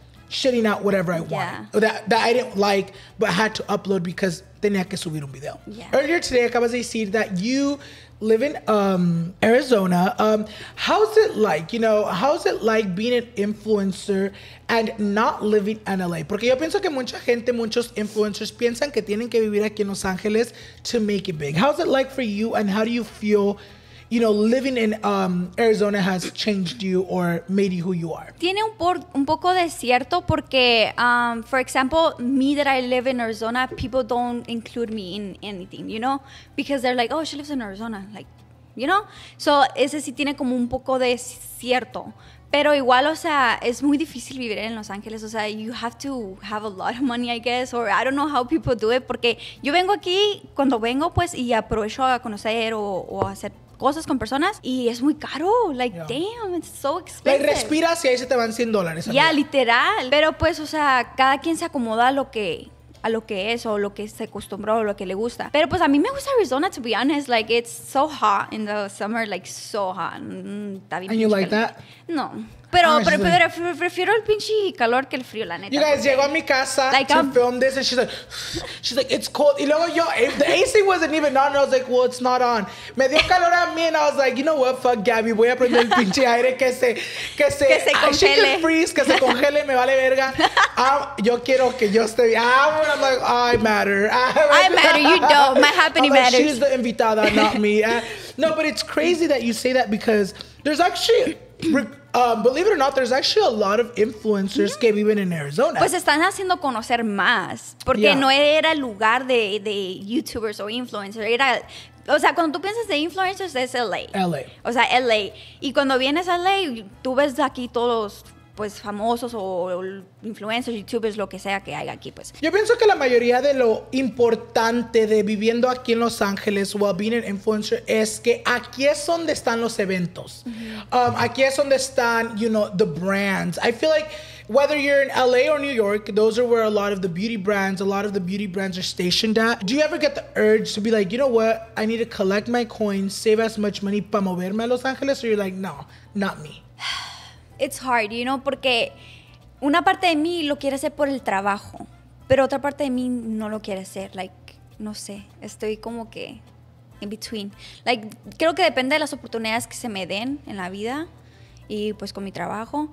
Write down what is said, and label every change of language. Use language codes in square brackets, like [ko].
[en] shitting out whatever I want that I didn't like but had to upload because [es] tenía que subir un video. [en] Yeah. Earlier today, [es] acabas de decir [en] that you live in Arizona. How's it like? You know, how's it like being an influencer and not living in LA? [es] Porque yo pienso que mucha gente, muchos influencers piensan que tienen que vivir aquí en Los Ángeles [en] to make it big. How's it like for you and how do you feel, you know, living in Arizona has changed you or made you who you are? [es] Tiene un poco de cierto porque, [en] for example, me that I live in Arizona, people don't include me in anything, you know? Because they're like, oh, she lives in Arizona, like, you know? [es] So, ese sí tiene como un poco de cierto. Pero igual, o sea, es muy difícil vivir en Los Ángeles. [en] O sea, you have to have a lot of money, I guess. Or I don't know how people do it. [es] Porque yo vengo aquí, cuando vengo, pues, y aprovecho a conocer o hacer cosas con personas y es muy caro, [en] like, damn, it's so expensive. [es] Like, respiras y ahí se te van $100. Ya, literal. Pero pues, o sea, cada quien se acomoda a lo que es o lo que se acostumbró o lo que le gusta. Pero pues a mí me gusta Arizona, [en] to be honest. Like, it's so hot in the summer, like, so hot. [es] Está bien. [en] And you like that? No. [es] Pero prefiero el pinche calor que el frío, la neta. [en] You guys, [es] llegó a mi casa, [en] like, to film this and she's like, it's cold. [es] Y luego yo, [en] the AC wasn't even on and I was like, well, it's not on. [es] Me dio calor a mí [en] and I was like, you know what, fuck Gabby, [es] voy a prender el pinche aire que se congele. [en] She can freeze, [es] que se congele, me vale verga. Yo quiero que yo esté bien. [en] I'm like, I matter, you don't. My happening like, matters. She's the invitada, not me. No, but it's crazy that you say that because there's actually... believe it or not, there's actually a lot of influencers [es] que viven [en] in Arizona. [es] Pues están haciendo conocer más. Porque no era el lugar de YouTubers o influencers. Era, o sea, cuando tú piensas de influencers, es LA. LA. O sea, LA. Y cuando vienes a LA, tú ves aquí todos pues famosos o influencers, YouTubers, lo que sea que haya aquí, pues. Yo pienso que la mayoría de lo importante de viviendo aquí en Los Ángeles o [en] being an influencer [es] es que aquí es donde están los eventos. Mm-hmm. Aquí es donde están, [en] you know, the brands. I feel like whether you're in LA or New York, those are where a lot of the beauty brands are stationed at. Do you ever get the urge to be like, you know what, I need to collect my coins, save as much money [es] para moverme a Los Ángeles? [en] Or you're like, no, not me. It's hard, you know, [es] porque una parte de mí lo quiere hacer por el trabajo, pero otra parte de mí no lo quiere hacer. Like, no sé, estoy como que [en] in between. [es] Like, creo que depende de las oportunidades que se me den en la vida y pues con mi trabajo.